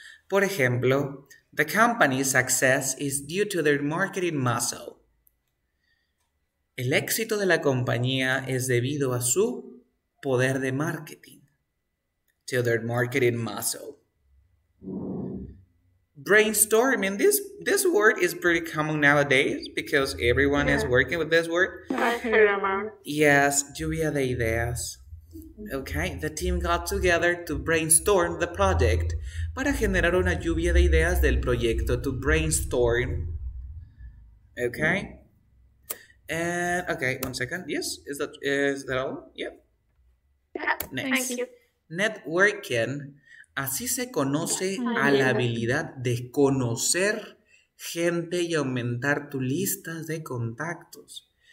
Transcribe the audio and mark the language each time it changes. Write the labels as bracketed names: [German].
[Spanish] Por ejemplo, [English] the company's success is due to their marketing muscle. [Spanish] El éxito de la compañía es debido a su poder de marketing. [English] To their marketing muscle. Brainstorm. And this word is pretty common nowadays because everyone is working with this word. Yes, [Spanish] lluvia de ideas. [English] Okay, the team got together to brainstorm the project. [Spanish] Para generar una lluvia de ideas del proyecto, [English] to brainstorm. Okay. And okay, 1 second. Yes, is that all? Yep. Next. Thank you. Networking. [Spanish] Así se conoce a la habilidad de conocer gente y aumentar tu lista de contactos.